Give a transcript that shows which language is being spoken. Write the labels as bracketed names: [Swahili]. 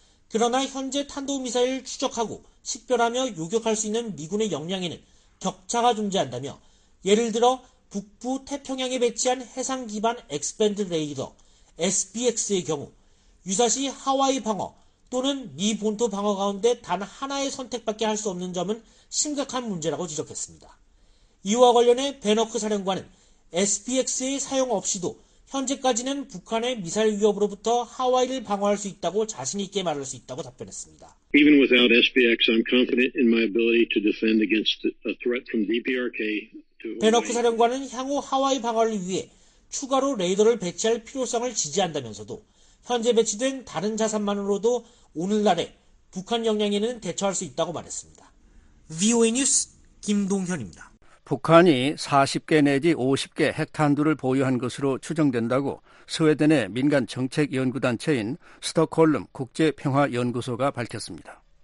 [Korean] 그러나 현재 탄도미사일을 추적하고 식별하며 요격할 수 있는 미군의 역량에는 격차가 존재한다며 예를 들어 북부 태평양에 배치한 해상기반 엑스밴드 레이더 SBX의 경우 유사시 하와이 방어 또는 미 본토 방어 가운데 단 하나의 선택밖에 할 수 없는 점은 심각한 문제라고 지적했습니다. 이와 관련해 베너크 사령관은 SBX의 사용 없이도 현재까지는 북한의 미사일 위협으로부터 하와이를 방어할 수 있다고 자신 있게 말할 수 있다고 답변했습니다. [English] Even without SBX, I'm confident in my ability to defend against a threat from DPRK. [Korean] 베너크 사령관은 향후 하와이 방어를 위해 추가로 레이더를 배치할 필요성을 지지한다면서도 현재 배치된 다른 자산만으로도 오늘날의 북한 역량에는 대처할 수 있다고 말했습니다. VOA 뉴스 김동현입니다. 북한이 40개 내지 50개 핵탄두를 보유한 것으로 추정된다고 스웨덴의 민간정책연구단체인 스톡홀름 국제평화연구소가 밝혔습니다.